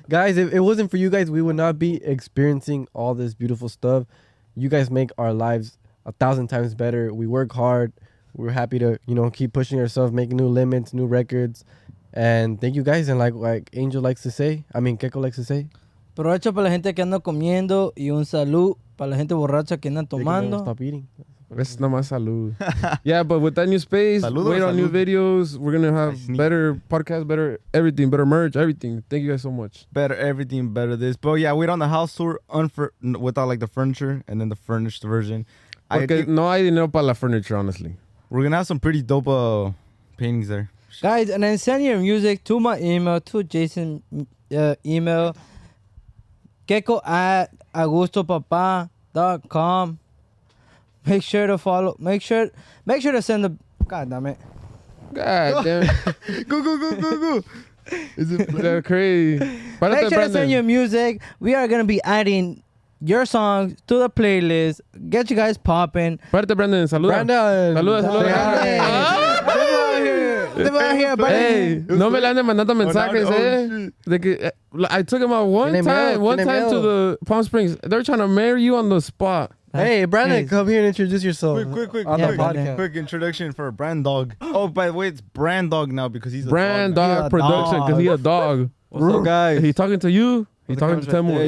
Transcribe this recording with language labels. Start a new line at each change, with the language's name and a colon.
English: Guys, if it wasn't for you guys, we would not be experiencing all this beautiful stuff. You guys make our lives 1,000 times better. We work hard. We're happy to, you know, keep pushing ourselves, make new limits, new records. And thank you guys. And like Angel likes to say, I mean, Keiko likes to say,
Spanish: provecho para la gente que anda comiendo y un salud para la gente borracha que anda tomando. Es nomás salud.
English: Yeah, but with that new space, saludo, wait salud. On new videos. We're going to have better podcasts, better everything, better merch, everything. Thank you guys so much. Better everything, better this. But yeah, we're on the house tour without like the furniture and then the furnished version.
Spanish: No hay dinero para la
English: furniture, honestly. We're going to have some pretty dope paintings there. Guys, and then send your music to my email, to Jason's email. Keiko@AugustoPapa.com. Make sure to follow. Make sure to send the. God damn it. God damn it. Go. Is it crazy? Make sure to send your music. We are going to be adding your songs to the playlist. Get you guys popping.
Spanish: Parte, Brandon. Saluda. Brandon. Saluda.
English: Hey,
Spanish: no me la ande mandando mensajes, eh?
English: I took him out one time to the Palm Springs. They're trying to marry you on the spot. Hey, Brandon, come here and introduce yourself. Quick introduction for Brand Dog. Oh, by the way, it's Brand Dog now because he's a Brand dog. Brand Dog Production because he's a dog. What's up, guys? He talking to you? He's talking to Temu.